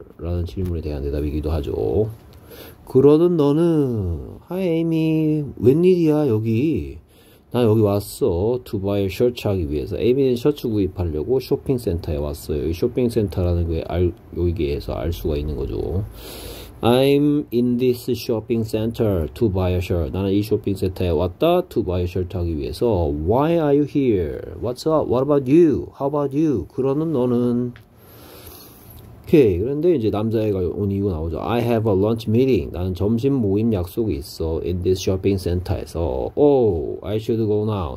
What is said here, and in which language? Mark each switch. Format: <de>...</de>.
<ko>라는 질문에 대한 대답이기도 하죠. 그러는 너는 Hi Amy, 웬일이야 여기? 나 여기 왔어.</ko> <en>To buy a shirt</en> <ko>하기 위해서. 에이미는 셔츠 구입하려고 쇼핑센터에 왔어요. 여기 쇼핑센터라는 게 여기에서 알 수가 있는 거죠.</ko> <en>I'm in this shopping center to buy a shirt.</en> <ko>나는 이 쇼핑센터에 왔다.</ko> <en>To buy a shirt</en> <ko>하기 위해서.</ko> <en>Why are you here? What's up? What about you? How about you?</en> <ko>그러는 너는. 오케이. 그런데 이제 남자애가 온 이유가 나오죠.</ko> <en>I have a lunch meeting.</en> <ko>나는 점심 모임 약속이 있어.</ko> <en>In this shopping center에서. Oh, I should go now.</en>